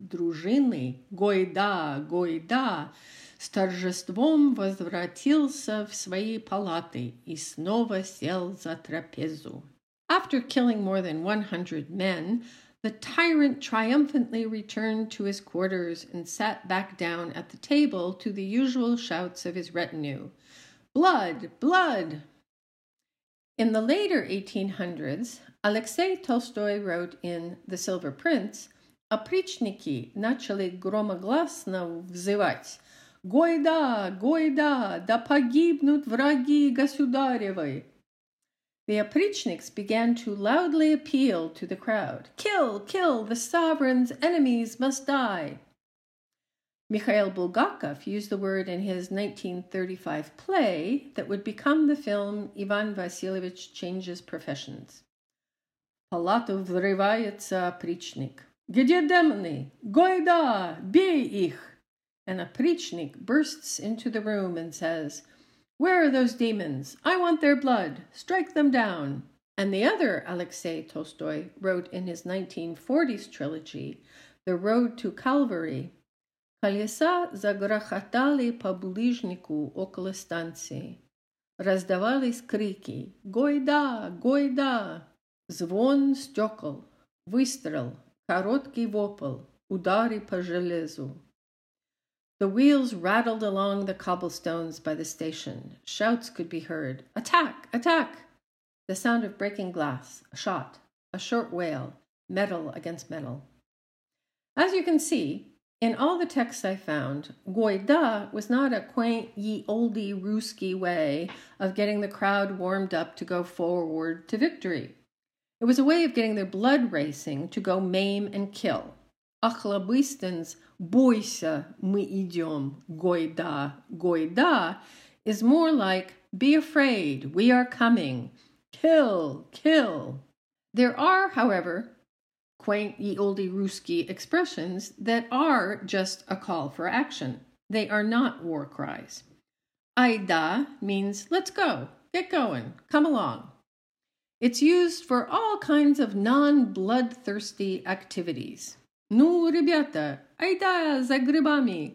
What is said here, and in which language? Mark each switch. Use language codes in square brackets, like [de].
[ru] дружины, Гойда, Гойда, с торжеством возвратился в свои палаты и снова сел за трапезу. [en] After killing more than 100 men, the tyrant triumphantly returned to his quarters and sat back down at the table to the usual shouts of his retinue. Blood! Blood! In the later 1800s, Алексей Толстой wrote in The Silver Prince, [ru] «Опричники начали громогласно взывать, «Гойда! Гойда! Да погибнут враги государевы!» [en] The опричниks began to loudly appeal to the crowd, «Kill! Kill! The sovereign's enemies must die!» Mikhail Bulgakov used the word in his 1935 play that would become the film Ivan Vasilievich Changes Professions. [ru] Палату врывается опричник. Где демоны? Гойда! Бей их! [en] And опричник bursts into the room and says, Where are those demons? I want their blood. Strike them down. And the other Alexei Tolstoy wrote in his 1940s trilogy, The Road to Calvary, [ru] Колеса загрохотали по булыжнику около станции. Раздавались крики «Гойда! Гойда!» Звон стекол, выстрел, короткий вопль, удары по железу. [en] The wheels rattled along the cobblestones by the station. Shouts could be heard. «Attack! Attack!» The sound of breaking glass, a shot, a short wail, metal against metal. As you can see, in all the texts I found, Гойда was not a quaint ye olde Ruski way of getting the crowd warmed up to go forward to victory. It was a way of getting their blood racing to go maim and kill. Охлобыстин's [ru] «Бойся, мы идем, Гойда, Гойда» [en] is more like «Be afraid, we are coming, kill, kill». There are, however, quaint ye olde Ruski expressions that are just a call for action. They are not war cries. Айда means let's go, get going, come along. It's used for all kinds of non-bloodthirsty activities. [ru] Ну, ребята, айда за грибами.